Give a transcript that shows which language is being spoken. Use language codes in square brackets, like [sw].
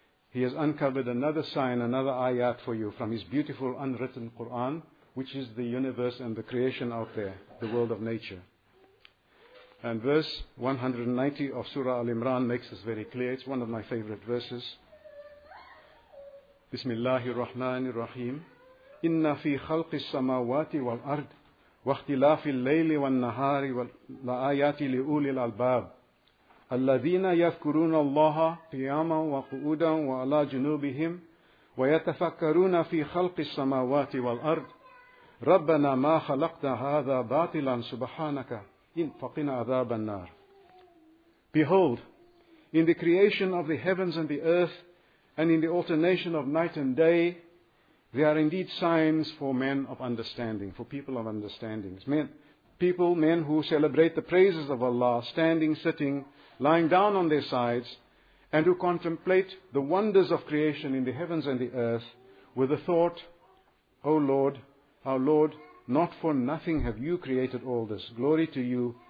[en] He has uncovered another sign, another ayat for you from His beautiful unwritten Quran, which is the universe and the creation out there, the world of nature. And verse 190 of Surah Al-Imran makes this very clear. It's one of my favorite verses. [ar] Bismillahir Rahmanir Rahim. Inna fi khalqi samawati wal ard واختلاف الليل والنهار والآيات لأولي الألباب الذين يذكرون الله قياما وقعودا وعلى جنوبهم ويتفكرون في خلق السماوات والأرض ربنا ما خلقت هذا باطلا سبحانك إن فقنا عذاب النار. [en] Behold, in the creation of the heavens and the earth, and in the alternation of night and day, there are indeed signs for men of understanding, for people of understanding. Men who celebrate the praises of Allah, standing, sitting, lying down on their sides, and who contemplate the wonders of creation in the heavens and the earth with the thought, O Lord, our Lord, not for nothing have you created all this. Glory to you.